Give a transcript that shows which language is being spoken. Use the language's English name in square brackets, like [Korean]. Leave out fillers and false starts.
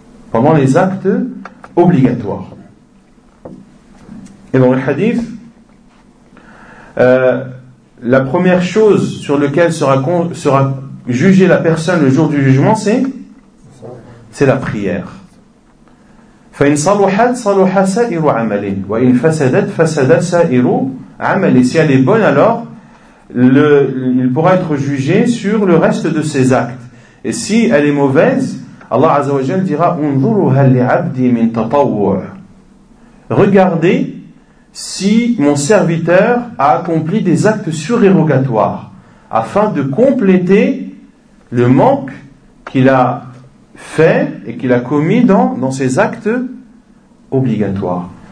[French] pendant les actes obligatoires. Et dans le hadith, la première chose sur laquelle sera jugée la personne le jour du jugement, c'est la prière. [Arabic] فإن صلحت صلح سائر عمل وإن فسدت فسد سائر عمل. [French] Si elle est bonne, alors il pourra être jugé sur le reste de ses actes. Et si elle est mauvaise, Allah Azza wa Jalla dira: [Arabic] انظروا هل لعبدي من تطوع. [French] Regardez si mon serviteur a accompli des actes surérogatoires afin de compléter le manque qu'il a fait et qu'il a commis dans ses actes obligatoires.